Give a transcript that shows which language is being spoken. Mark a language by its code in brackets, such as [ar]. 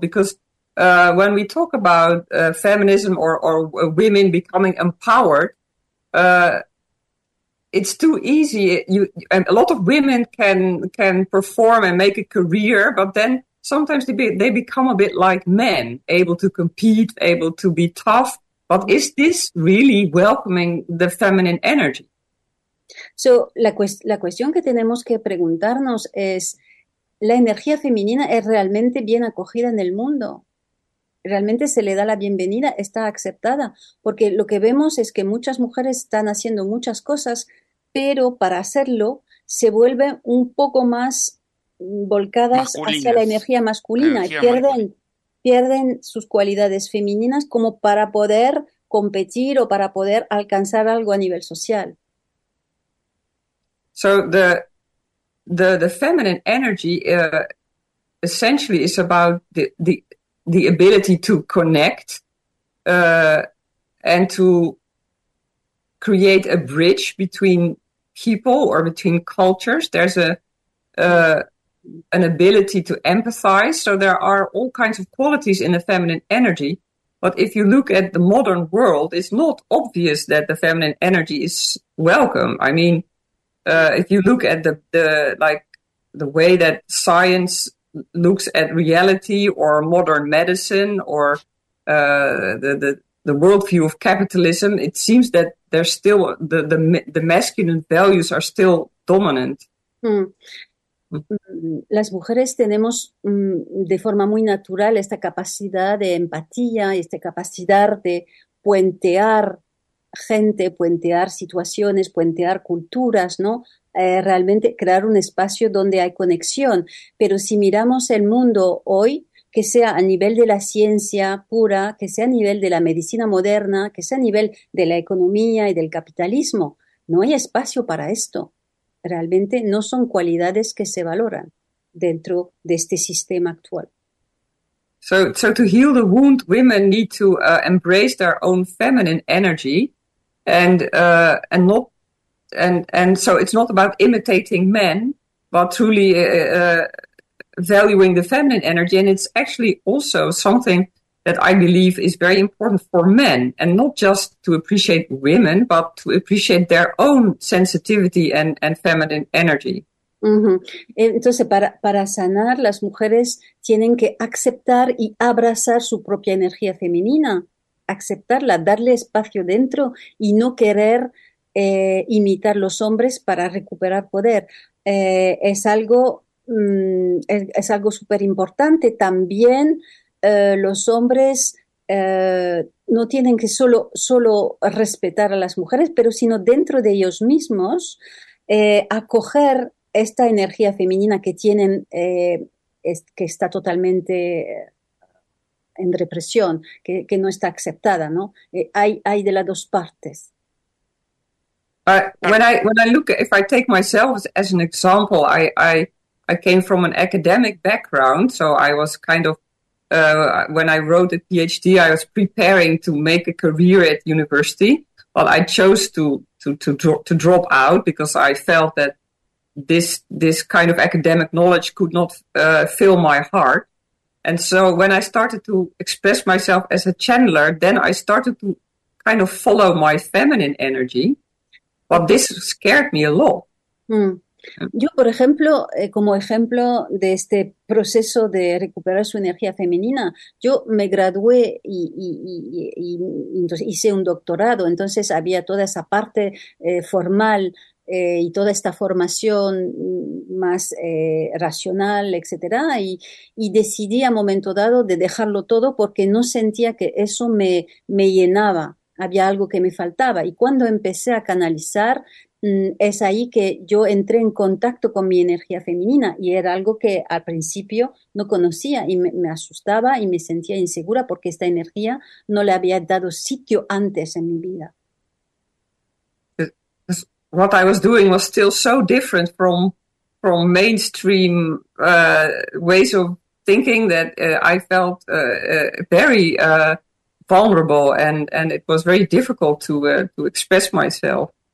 [en] Because when we talk about feminism or women becoming empowered, it's too easy. And a lot of women can perform and make a career, but then sometimes they become a bit like men, able to compete, able to be tough. But is this really welcoming the feminine energy? [es] So, la cuestión que tenemos que preguntarnos es, ¿la energía femenina es realmente bien acogida en el mundo? ¿Realmente se le da la bienvenida? ¿Está aceptada? Porque lo que vemos es que muchas mujeres están haciendo muchas cosas, pero para hacerlo se vuelven un poco más volcadas hacia la Masculinas, energía masculina y energía masculina. pierden sus cualidades femeninas como para poder competir o para poder alcanzar algo a nivel social. [en] So the feminine energy essentially is about the ability to connect and to create a bridge between people or between cultures. There's an ability to empathize. So there are all kinds of qualities in the feminine energy. But if you look at the modern world, it's not obvious that the feminine energy is welcome. I mean, if you look at the way that science looks at reality or modern medicine or the worldview of capitalism, it seems that there's still the masculine values are still dominant. [es] Las mujeres tenemos de forma muy natural esta capacidad de empatía y esta capacidad de puentear gente, puentear situaciones, puentear culturas, ¿no? Realmente crear un espacio donde hay conexión. Pero si miramos el mundo hoy, que sea a nivel de la ciencia pura, que sea a nivel de la medicina moderna, que sea a nivel de la economía y del capitalismo, no hay espacio para esto. Realmente no son cualidades que se valoran dentro de este sistema actual. [en] So to heal the wound, women need to embrace their own feminine energy, and not and so it's not about imitating men, but truly valuing the feminine energy. And it's actually also something that I believe is very important for men, and not just to appreciate women, but to appreciate their own sensitivity and feminine energy. [es] Entonces, para sanar, las mujeres tienen que aceptar y abrazar su propia energía femenina, aceptarla, darle espacio dentro y no querer imitar los hombres para recuperar poder. Es algo súper importante. También los hombres no tienen que solo respetar a las mujeres, pero sino dentro de ellos mismos acoger esta energía femenina que tienen, que está totalmente en represión, que no está aceptada, ¿no? Hay de las dos partes. [en] When I look, if I take myself as an example, I came from an academic background, so I was kind of when I wrote a PhD, I was preparing to make a career at university, but I chose to drop out because I felt that this kind of academic knowledge could not fill my heart. And so when I started to express myself as a channeler, then I started to kind of follow my feminine energy. But Okay. this scared me a lot. [es] Yo, por ejemplo, como ejemplo de este proceso de recuperar su energía femenina, yo me gradué entonces hice un doctorado, entonces había toda esa parte formal y toda esta formación más racional, etcétera, y decidí a momento dado de dejarlo todo porque no sentía que eso me llenaba. Había algo que me faltaba y cuando empecé a canalizar, es ahí que yo entré en contacto con mi energía femenina y era algo que al principio no conocía y me asustaba y me sentía insegura porque esta energía no le había dado sitio antes en mi vida. [en] What I was doing was still so different from mainstream ways of thinking that I felt very vulnerable, and it was very difficult to express myself.